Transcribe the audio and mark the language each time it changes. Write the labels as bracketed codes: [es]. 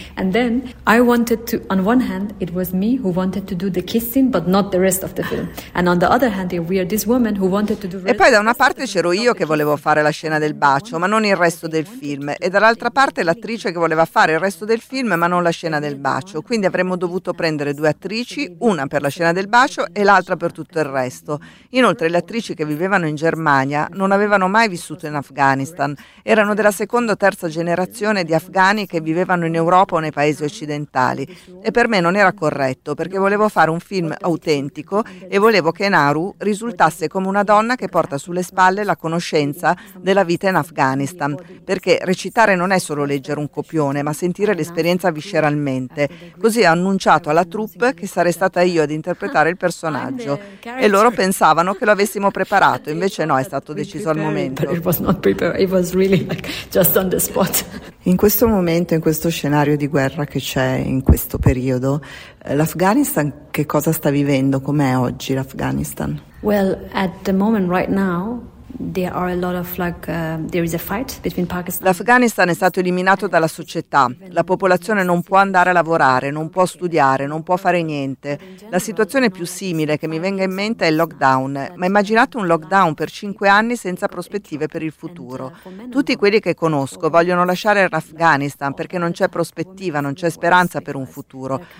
[en] Then I wanted to, on one hand, it was me who wanted to do the kissing, but not the rest of the film. And on the other hand, we are this woman who wanted to do. [it] E poi da una parte c'ero io che volevo fare la scena del bacio, ma non il resto del film. E dall'altra parte l'attrice che voleva fare il resto del film, ma non la scena del bacio. Quindi avremmo dovuto prendere 2 attrici, una per la scena del bacio e l'altra per tutto il resto. Inoltre le attrici che vivevano in Germania non avevano mai vissuto in Afghanistan. Erano della seconda o terza generazione di afghani che vivevano in Europa o nei paesi occidentali e per me non era corretto perché volevo fare un film autentico e volevo che Nauru risultasse come una donna che porta sulle spalle la conoscenza della vita in Afghanistan, perché recitare non è solo leggere un copione ma sentire l'esperienza visceralmente. Così ho annunciato alla troupe che sarei stata io ad interpretare il personaggio e loro pensavano che lo avessimo preparato, invece no, è stato deciso al momento. In questo momento, in questo scenario di guerra che c'è in questo periodo, l'Afghanistan che cosa sta vivendo? Com'è oggi l'Afghanistan? [en] Well, at the moment right now there are a lot of like there is a fight between Pakistan. [it] L'Afghanistan è stato eliminato dalla società. La popolazione non può andare a lavorare, non può studiare, non può fare niente. La situazione più simile che mi venga in mente è il lockdown. Ma immaginate un lockdown per 5 anni senza prospettive per il futuro. Tutti quelli che conosco vogliono lasciare l'Afghanistan perché non c'è prospettiva, non c'è speranza per un futuro.